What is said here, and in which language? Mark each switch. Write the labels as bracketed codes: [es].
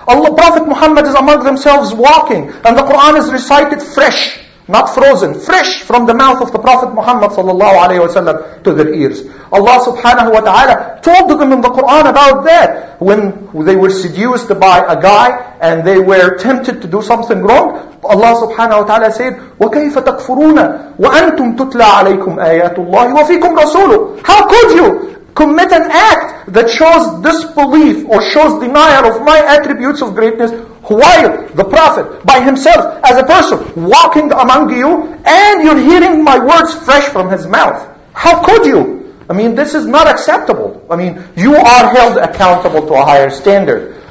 [en] Allah, Prophet Muhammad is among themselves walking, and the Quran is recited fresh, not frozen, fresh from the mouth of the Prophet Muhammad sallallahu alaihi wasallam to their ears. Allah subhanahu wa ta'ala told them in the Quran about that, when they were seduced by a guy and they were tempted to do something wrong. Allah subhanahu wa ta'ala said, [ar] وَكَيْفَ تَكْفُرُونَ وَأَنْتُمْ تُتْلَى عَلَيْكُمْ آيَاتُ اللَّهِ وَفِيكُمْ رَسُولُهُ. [en] How could you commit an act that shows disbelief or shows denial of my attributes of greatness while the Prophet by himself as a person walking among you and you're hearing my words fresh from his mouth? How could you? I mean, this is not acceptable. I mean, you are held accountable to a higher standard.